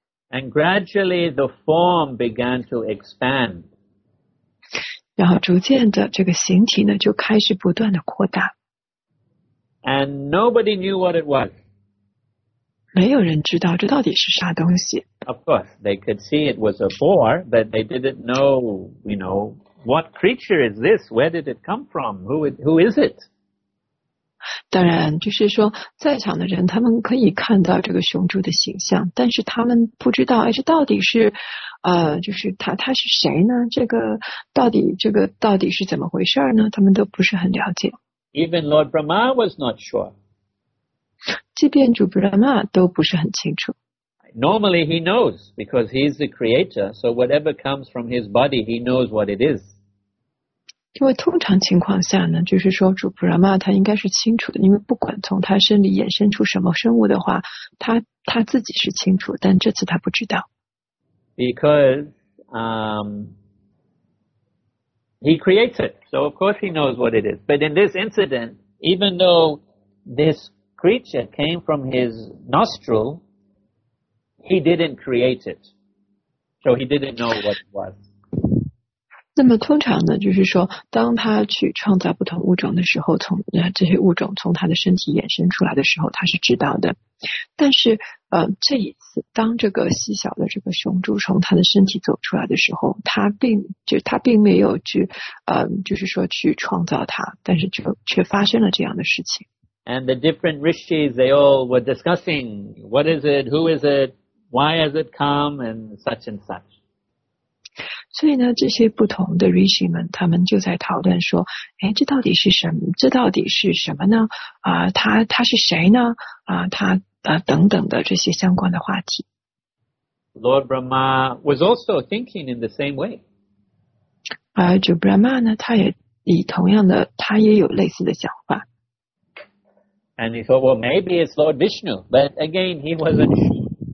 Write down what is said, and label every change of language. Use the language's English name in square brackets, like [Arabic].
[English] And gradually the form began to expand. [Chinese] 然后逐渐的这个形体呢就开始不断的扩大。 [English] And nobody knew what it was. [Chinese] 没有人知道这到底是啥东西。 [English] Of course, they could see it was a boar, but they didn't know, you know, what creature is this? Where did it come from? Who is it? [Chinese] 当然，就是说，在场的人他们可以看到这个雄猪的形象，但是他们不知道，这到底是，就是他是谁呢？这个到底是怎么回事呢？他们都不是很了解。 [English] Even Lord Brahma was not sure. [Chinese] 即便主布拉玛都不是很清楚。 [English] Normally he knows because he is the creator, so whatever comes from his body, he knows what it is. [Chinese] 因为通常情况下呢，就是说主布拉玛他应该是清楚的，因为不管从他身里衍生出什么生物的话，他自己是清楚，但这次他不知道。 [English] Because he creates it, so of course he knows what it is. But in this incident, even though this creature came from his nostril,He didn't create it, so he didn't know what it was. [Chinese] 那么通常呢，就是说，当他去创造不同物种的时候，从这些物种从他的身体衍生出来的时候，他是知道的。但是，这一次，当这个细小的这个雄猪从他的身体走出来的时候，他并没有去，就是说去创造它，但是却发生了这样的事情。 [English] And the different rishis, they all were discussing, what is it, who is it, why has it come, and such and such. [Chinese] 所以呢，这些不同的 rishi 们，他们就在讨论说，这到底是什么？这到底是什么呢？他是谁呢？等等的这些相关的话题。 [English] Lord Brahma was also thinking in the same way. [Chinese] 主 Brahma 呢，他也以同样的，他也有类似的想法。 [English] And he thought, well, maybe it's Lord Vishnu, but again, he wasn't sure.